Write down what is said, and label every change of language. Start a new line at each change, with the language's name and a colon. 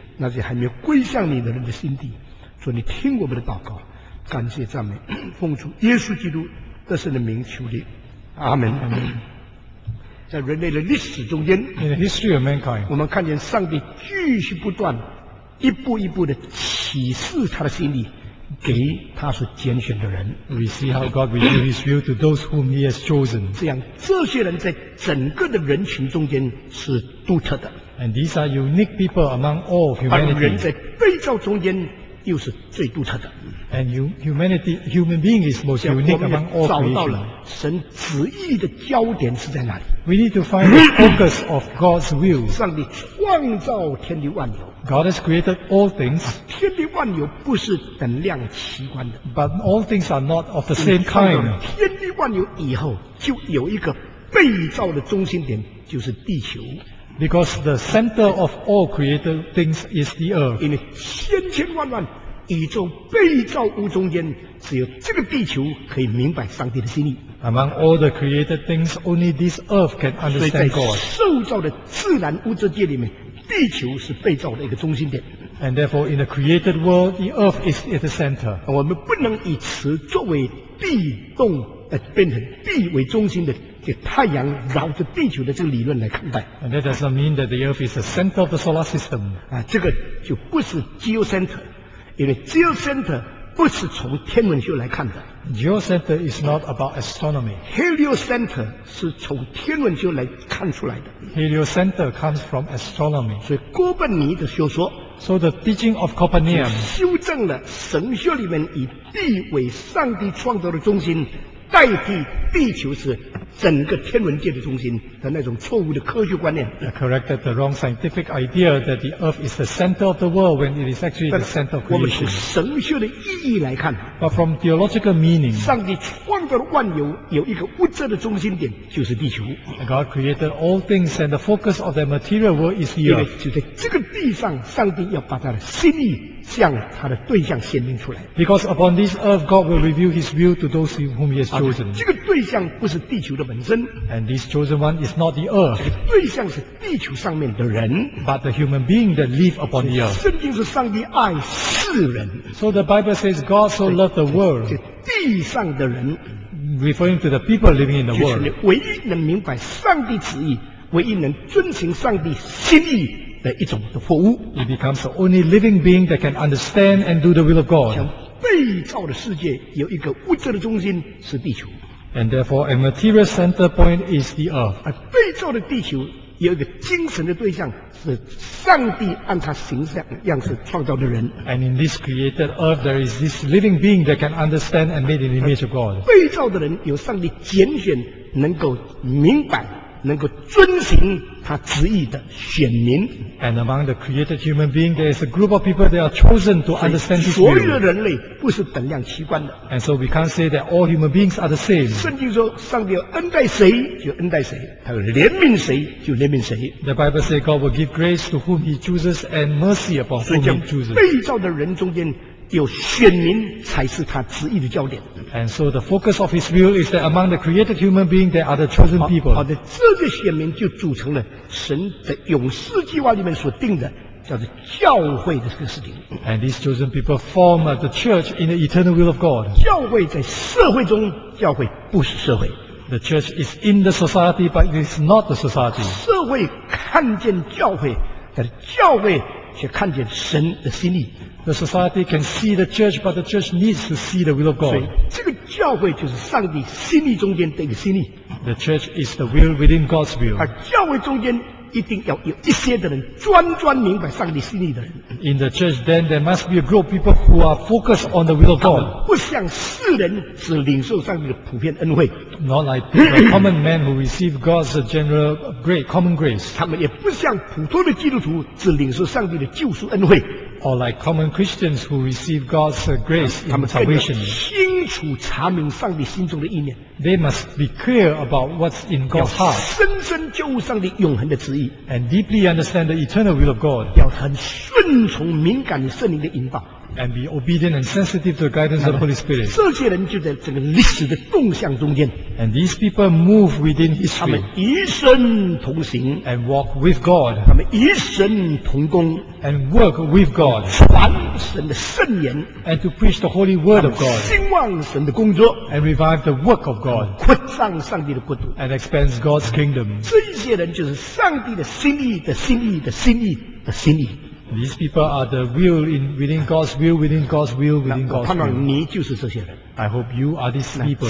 Chinese: 那些还没归向你的人的心地，主你听我们的祷告，感谢赞美，奉主耶稣基督得胜的名求你，阿门。在人类的历史中间
English: In the history of mankind,
Chinese: 我们看见上帝继续不断一步一步的启示他的心意给他所拣选的人。
English: We see how God revealed his will to those whom he has chosen.
Chinese: 这样这些人在整个的人群中间是独特的。
English: And these are unique people among all of humanity.
Chinese: 而人在被造中间又是最独特的。
English: And human being is most unique among all creation.
Chinese: 我们找到了神旨意的焦点是在哪里。
English: We need to find the focus of God's will.
Chinese: 上帝创造天地万有。
English: God has created all things.
Chinese: 天地万有不是等量齐观的。
English: But all things are not of the same kind.
Chinese: 天地万有以后就有一个被造的中心点，就是地球。
English: Because the center of all created things is the earth.
Chinese: 因为千千万万宇宙被造物中间，只有这个地球可以明白上帝的心意。
English: Among all the created things, only this earth can understand God.
Chinese: 所以在受造的自然物质界里面，地球是被造的一个中心点。
English: And therefore, in the created world, the earth is at the center.
Chinese: 我们不能以此作为地动变成地为中心的。这太阳绕着地球的这个理论来看待。
English: And that does not mean that the Earth is the center of the solar system.
Chinese: 啊，这个就不是 geocenter， 因为 geocenter 不是从天文学来看的。
English: Geocenter is not about astronomy.
Chinese: Heliocenter 是从天文学来看出来的。
English: Heliocenter comes from astronomy.
Chinese: 所以哥本尼的学说。
English: So the teaching of Copernicus
Chinese: 修正了神学里面以地为上帝创造的中心。代替地球是整个天文界的中心的那种错误的科学观念。
English: I corrected the wrong scientific idea that the Earth is the center of the world when it is actually the center of creation.
Chinese: 我们从神学的意义来看。
English: But from theological meaning,
Chinese: 上帝创造万有有一个物质的中心点，就是地球。
English: God created all things, and the focus of the material world is the earth.
Chinese: 因为就在这个地上，上帝要把他的心意向他的对象显明出来。
English: Because upon this earth, God will reveal His will to those whom He has chosen.
Chinese: 这个对象不是地球的本身。
English: And this chosen one is not the earth.
Chinese: 这个对象是地球上面的人。
English: But the human being that live upon the earth.
Chinese: 圣经是上帝爱世人。
English: So the Bible says God so loved the world.
Chinese: 地上的人。
English: Referring to the people living in the world.
Chinese: 就是你唯一能明白上帝旨意，唯一能遵循上帝心意。的一种的服务
English: it becomes the only living being that can understand and do the will of God.
Chinese: 像被造的世界有一个物质的中心是地球
English: and therefore a material center point is the earth.
Chinese: 而被造的地球有一个精神的对象是上帝按他形象样式创造的人
English: and in this created earth there is this living being that can understand and made in the image of God.
Chinese: 被造的人有上帝拣选能够明白能够遵循他旨意的选民
English: and among the created human being there is a group of people that are chosen to understand his will
Chinese: 所有的人类不是等量齐观的
English: and so we can't say that all human beings are the same
Chinese: 圣经说上帝要恩待谁就恩待谁他要怜悯谁就怜悯谁
English: the Bible says God will give grace to whom he chooses and mercy upon whom he chooses
Chinese: 被造的人中间有选民才是他旨意的焦点
English: and so the focus of his will is that among the created human being there are the chosen people
Chinese: 好的这个选民就组成了神的永世计划里面所定的叫做教会的这个事情
English: and these chosen people form the church in the eternal will of God
Chinese: 教会在社会中教会不是社会
English: the church is in the society but it is not the society
Chinese: 社会看见教会但是教会却看见神的心意
English: The society can see the church, but the church needs to see the will of God.
Chinese: 这个教会就是上帝心意中间的一个心意。
English: The church is the will within God's will.
Chinese: 而教会中间一定要有一些的人专专明白上帝心意的人。
English: In the church, then there must be a group of people who are focused on the will of God.
Chinese: 不像世人只领受上帝的普遍恩惠。
English: Not like the common man who receive God's general grace, common grace.
Chinese: 他们也不像普通的基督徒只领受上帝的救赎恩惠。
English: Or like common Christians who receive God's grace in salvation.
Chinese: 他们更清楚查明上帝心中的意念。
English: They must be clear about what's in God's heart.
Chinese: 要深深就上帝永恒的旨意。
English: And deeply understand the eternal will of God.
Chinese: 要很顺从敏感与圣灵的引导。
English: And be obedient and sensitive to the guidance of the Holy Spirit.
Chinese: 这些人就在整个历史的动向中间。
English: And these people move within history.
Chinese: 他们与神同行。
English: And walk with God.
Chinese: 他们与神同工。
English: And work with God.
Chinese: 传神的圣言。
English: And to preach the holy word of God.
Chinese: 兴旺神的工作。
English: And revive the work of God.
Chinese: 扩张上帝的国度。
English: And expands God's kingdom.
Chinese: 这些人就是上帝的心意的心意的心意的心意。
English: These people are the will in, within God's will, within God's will, within God's will.
Chinese: 我盼望你就是这些人。
English: I hope you are these people.